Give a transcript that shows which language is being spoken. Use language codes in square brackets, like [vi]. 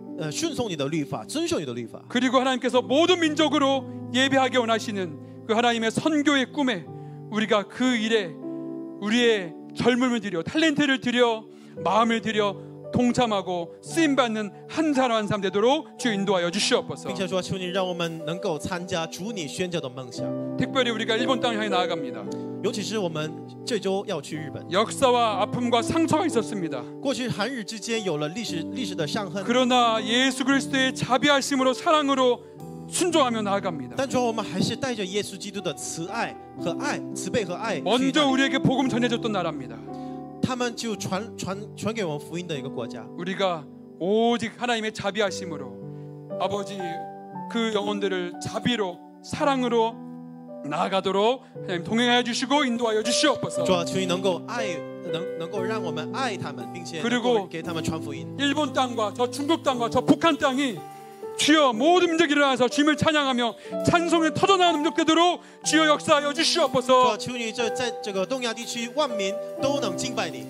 [zh] 顺从你的律法，遵守你的律法。 [ko] 그리고 하나님께서 모든 민족으로 예배하게 원하시는 그 하나님의 선교의 꿈에 우리가 그 일에 우리의 젊음을 드려 탤런트를 드려 마음을 드려 동참하고 쓰임 받는 한 사람 한 사람 되도록 주 인도하여 주시옵소서. [zh] 并且说，求你让我们能够参加主你宣教的梦想。 [ko] 특별히 우리가 일본 땅 향해 나아갑니다. [zh] 尤其是我们这周要去日本。 [ko] 역사와 아픔과 상처가 있었습니다. [zh] 过去韩日之间有了历史的伤痕。 [ko] 그러나 예수 그리스도의 자비하심으로 사랑으로 순종하며 나아갑니다. [zh] 但主我们还是带着耶稣基督的慈爱和爱慈悲和爱。 [ko] 먼저 우리에게 복음 전해줬던 나라입니다. [zh] 他们就传给我们福音的一个国家。 [ko] 우리가 오직 하나님의 자비하심으로 아버지 그 영혼들을 자비로 사랑으로 나아가도록 하나님 동행하여 주시고 인도하여 주시옵소서. 주아, 주님 [zh] 能够让我们爱他们，并且 [ko] 그리고 [zh] 给他们传福音。 [ko] 일본 땅과 저 중국 땅과 저 북한 땅이 주여 모든 민족이 일어나서 주님을 찬양하며 찬송에 터져나오는 민족 되도록 주여 역사하여 주시옵소서. 주아, 주님 저 동양 [zh] 地区万民都能敬拜你。